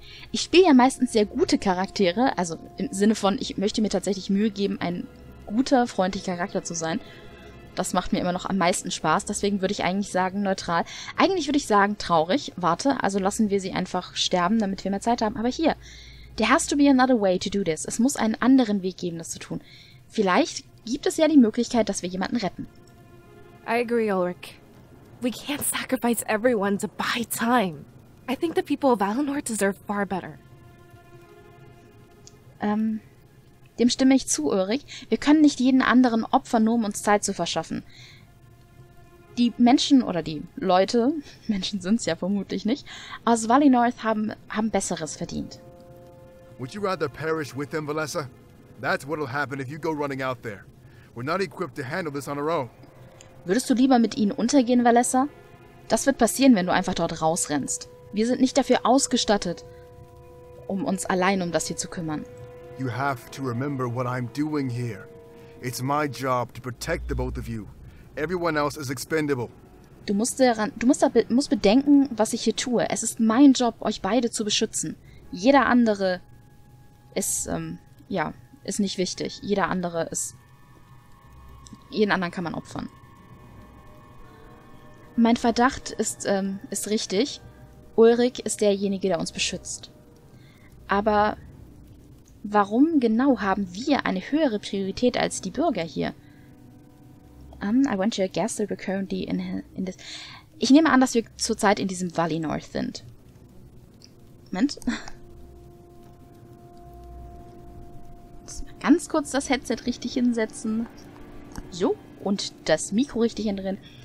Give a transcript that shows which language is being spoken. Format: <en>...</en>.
<de>Ich spiele ja meistens sehr gute Charaktere, also im Sinne von, ich möchte mir tatsächlich Mühe geben, ein guter, freundlicher Charakter zu sein. Das macht mir immer noch am meisten Spaß, deswegen würde ich eigentlich sagen neutral. Eigentlich würde ich sagen traurig, warte, also lassen wir sie einfach sterben, damit wir mehr Zeit haben. Aber hier,</de> <en>there has to be another way to do this.</en> <de>Es muss einen anderen Weg geben, das zu tun. Vielleicht gibt es ja die Möglichkeit, dass wir jemanden retten.</de> <en>I agree, Ulrich. We can't sacrifice everyone to buy time. I think the people of Valinor deserve far better.</en> <de>Dem stimme ich zu, Ulrich. Wir können nicht jeden anderen opfern, nur um uns Zeit zu verschaffen. Die Menschen oder die Leute, Menschen sind es ja vermutlich nicht, aus Valinor haben Besseres verdient.</de> <en>Would you rather perish with them, Valessa? That's what'll happen if you go running out there. We're not equipped to handle this on our own.</en> <de>Würdest du lieber mit ihnen untergehen, Valessa? Das wird passieren, wenn du einfach dort rausrennst. Wir sind nicht dafür ausgestattet, um uns allein um das hier zu kümmern.</de> <en>You have to remember what I'm doing here. It's my job to protect the both of you. Everyone else is expendable.</en> <de>Du musst bedenken, was ich hier tue. Es ist mein Job, euch beide zu beschützen. Jeder andere ist, ist nicht wichtig. Jeder andere ist... Jeden anderen kann man opfern. Mein Verdacht ist richtig. Ulrich ist derjenige, der uns beschützt. Aber warum genau haben wir eine höhere Priorität als die Bürger hier?</de> <en>I want you to guess that we're currently in this...</en> <de>Ich nehme an, dass wir zurzeit in diesem Valley North sind. Moment. Ganz kurz das Headset richtig hinsetzen. So, und das Mikro richtig hin drin.</de>